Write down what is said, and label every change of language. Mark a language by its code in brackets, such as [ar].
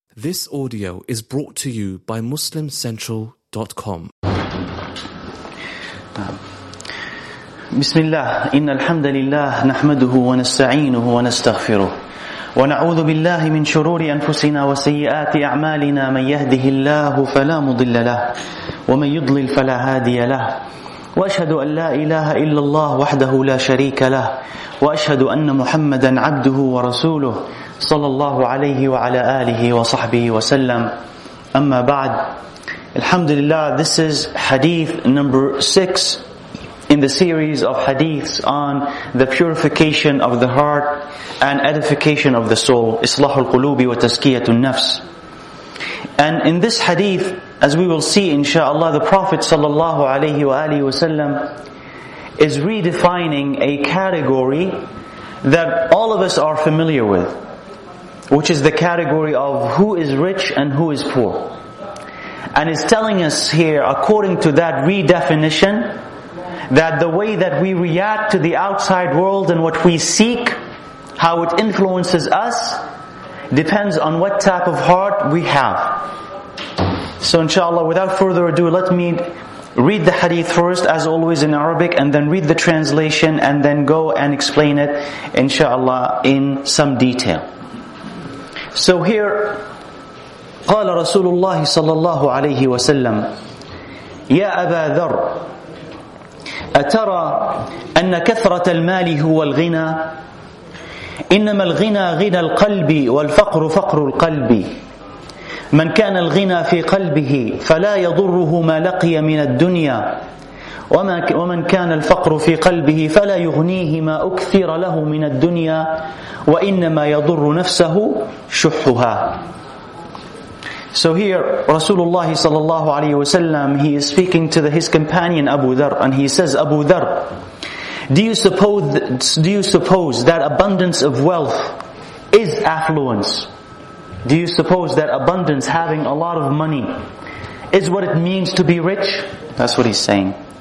[en] This audio is brought to you by MuslimCentral.com. [ar] بسم الله إن الحمد لله نحمده ونستعينه ونستغفره ونعوذ بالله من شرور أنفسنا وسيئات أعمالنا من يهده الله فلا مضل له ومن يضلل فلا هادي له وأشهد أن لا إله إلا الله وحده لا شريك له وأشهد أن محمدا عبده ورسوله صلى الله عليه وعلى آله وصحبه وسلم أما بعد [en] Alhamdulillah, this is hadith number 6 in the series of hadiths on the purification of the heart and edification of the soul. [ar] إصلاح القلوب وتزكية النفس. [en] And in this hadith, as we will see inshaAllah, the Prophet sallallahu alayhi wa alihi wa sallam is redefining a category that all of us are familiar with, which is the category of who is rich and who is poor. And is telling us here, according to that redefinition, that the way that we react to the outside world and what we seek, how it influences us, depends on what type of heart we have. So inshallah, without further ado, let me read the hadith first, as always in Arabic, and then read the translation, and then go and explain it, inshallah, in some detail. So here, [ar] قال رسول الله صلى الله عليه وسلم يا أبا ذر أترى أن كثرة المال هو الغنى إنما الغنى غنى القلب والفقر فقر القلب من كان الغنى في قلبه فلا يضره ما لقي من الدنيا ومن كان الفقر في قلبه فلا يغنيه ما أكثر له من الدنيا وإنما يضر نفسه شحها. [en] So here, Rasulullah sallallahu alayhi wa sallam, he is speaking to his companion Abu Dharr, and he says, Abu Dharr, do you suppose that abundance of wealth is affluence? Do you suppose that abundance, having a lot of money, is what it means to be rich? That's what he's saying.